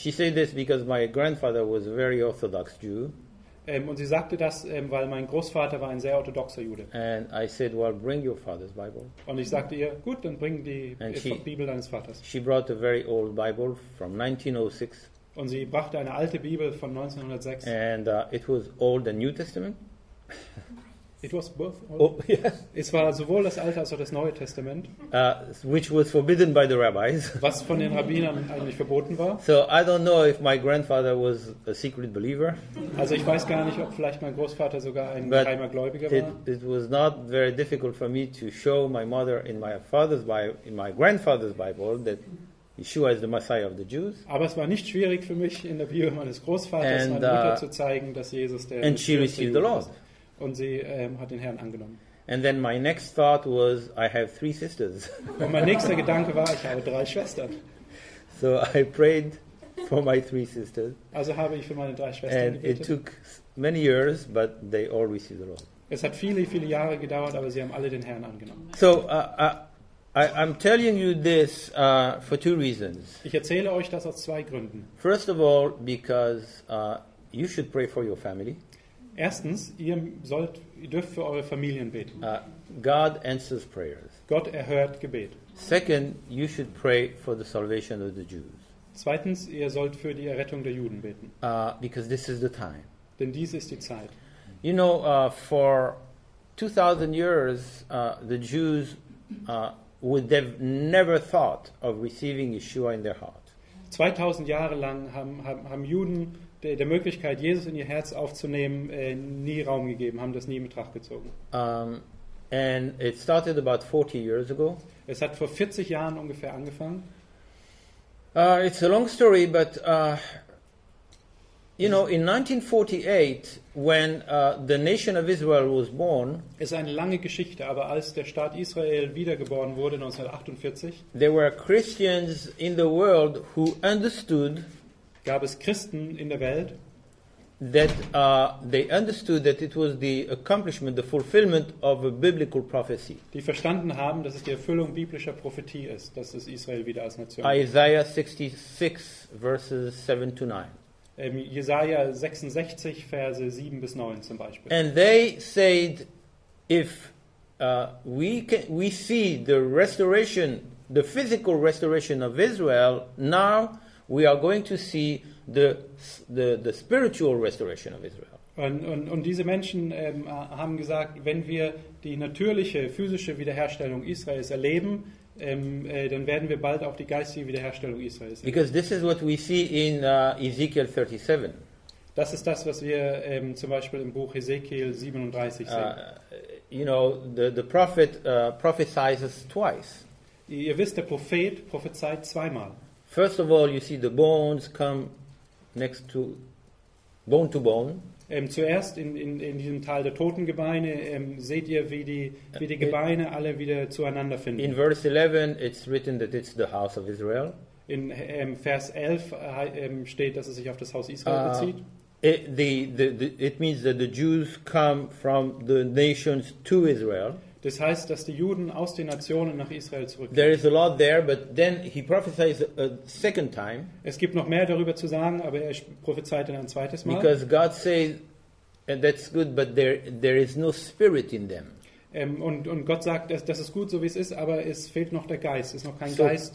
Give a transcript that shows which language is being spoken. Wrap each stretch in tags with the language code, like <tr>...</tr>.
<en>She said this because my grandfather was a very orthodox Jew.</en> <de>Und sie sagte das, weil mein Großvater war ein sehr orthodoxer Jude.</de> <en>And I said, well, bring your father's Bible.</en> <de>Und ich sagte ihr, gut, dann bring die Bibel deines Vaters.</de> <en>She brought a very old Bible from 1906.</en> <de>Und sie brachte eine alte Bibel von 1906.</de> <en>And it was Old and New Testament. It was both. Oh, yes.</en> <de>Es war sowohl das Alte als auch das Neue Testament,</de> <en>which was forbidden by the rabbis.</en> <de>Was von den Rabbinern eigentlich verboten war.</de> <en>So I don't know if my grandfather was a secret believer.</en> <de>Also ich weiß gar nicht, ob vielleicht mein Großvater sogar ein geheimer Gläubiger war.</de> <en>It was not very difficult for me to show my mother in my grandfather's Bible that Yeshua is the Messiah of the Jews.</en> <de>Aber es war nicht schwierig für mich in der Bibel meines Großvaters meiner Mutter zu zeigen, dass Jesus der Messias</de> <en>And she received the Lord.</en> <de>Und sie hat den Herrn angenommen.</de> <en>And then my next thought was, I have three sisters.</en> <de>Und mein nächster Gedanke war, ich habe drei Schwestern.</de> <en>So I prayed for my three sisters.</en> <de>Also habe ich für meine drei Schwestern</de> <en>and</en> <de>gebetet.</de> <en>It took many years, but they all received the Lord.</en> <de>Es hat viele, viele Jahre gedauert, aber sie haben alle den Herrn angenommen.</de> <en>So I'm telling you this for two reasons.</en> <de>Ich erzähle euch das aus zwei Gründen.</de> <en>First of all, because you should pray for your family.</en> <de>Erstens, ihr dürft für eure Familien beten.</de> <en>God answers prayers.</en> <de>Gott erhört Gebet.</de> <en>Second, you should pray for the salvation of the Jews.</en> <de>Zweitens, ihr sollt für die Errettung der Juden beten.</de> <en>Because this is the time.</en> <de>Denn dies ist die Zeit.</de> <en>You know, for 2,000 years, the Jews would have never thought of receiving Yeshua in their heart.</en> <de>2,000 Jahre lang haben Juden der Möglichkeit, Jesus in ihr Herz aufzunehmen, nie Raum gegeben, haben das nie in Betracht gezogen.</de> <en>And it started about 40 years ago.</en> <de>Es hat vor 40 Jahren ungefähr angefangen.</de> <en>It's a long story, but you know, in 1948, when the nation of Israel was born,</en> <de>ist eine lange Geschichte, aber als der Staat Israel wiedergeboren wurde 1948,</de> <en>there were Christians in the world who understood,</en> <de>gab es Christen in der Welt,</de> <en>that they understood that it was the accomplishment, the fulfillment of a biblical prophecy.</en> <de>Die verstanden haben, dass es die Erfüllung biblischer Prophetie ist, dass es Israel wieder als Nation.</de> <en>Isaiah 66 verses 7 to 9.</en> <de>Jesaja 66, Verse 7 bis 9 zum Beispiel.</de> <en>And they said, if we see the restoration, the physical restoration of Israel, now we are going to see the spiritual restoration of Israel.</en> <de>Und diese Menschen haben gesagt, wenn wir die natürliche, physische Wiederherstellung Israels erleben, dann werden wir bald auch die geistige Wiederherstellung Israels sehen.</de> <en>Because this is what we see in Ezekiel 37.</en> <de>Das ist das, was wir zum Beispiel im Buch Ezekiel 37 sehen.</de> <en>You know, the prophet prophesies twice.</en> <de>Ihr wisst, der Prophet prophezeit zweimal.</de> <en>First of all, you see the bones come next to bone to bone.</en> <de>Zuerst in diesem Tal der Totengebeine seht ihr, wie die Gebeine alle wieder zueinander finden.</de> <en>In verse 11 it's written that it's the house of Israel.</en> <de>In Vers 11 steht, dass es sich auf das Haus Israel bezieht.</de> <en>It means that the Jews come from the nations to Israel.</en> <de>Das heißt, dass die Juden aus den Nationen nach Israel zurückkehren.</de> <en>There is a lot there, but then he prophesies a second time.</en> <de>Es gibt noch mehr darüber zu sagen, aber er prophezeit dann ein zweites Mal.</de> <en>Because God says, and that's good, but there is no spirit in them.</en> <de>Und Gott sagt, das ist gut, so wie es ist, aber es fehlt noch der Geist, es ist noch kein Geist.</de>